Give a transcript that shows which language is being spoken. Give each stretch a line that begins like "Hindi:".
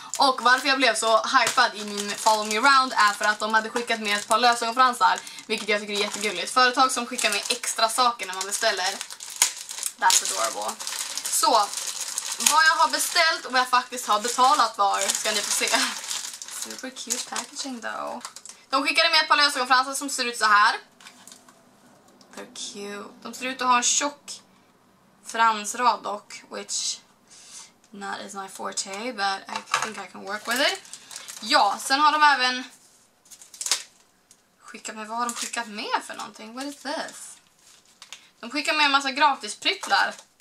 Swedish: Och varför jag blev så hypad i min Follow Me Around är för att de hade skickat med ett par lösögonfransar. Vilket jag tycker är jättegulligt. Företag som skickar med extra saker när man beställer.
English: That's adorable.
Swedish: Så, vad jag har beställt och vad jag faktiskt har betalat var, ska ni få se.
English: Super cute packaging though.
Swedish: De skickade med ett par lösögonfransar som ser ut så här.
English: They're cute.
Swedish: De ser ut att ha en tjock fransrad dock,
English: which not is my forte, but I think I can work with it.
Swedish: Ja, sen har de även skickat med, vad har de skickat med för någonting?
English: What is this?
Swedish: De skickar med en massa gratisprycklar.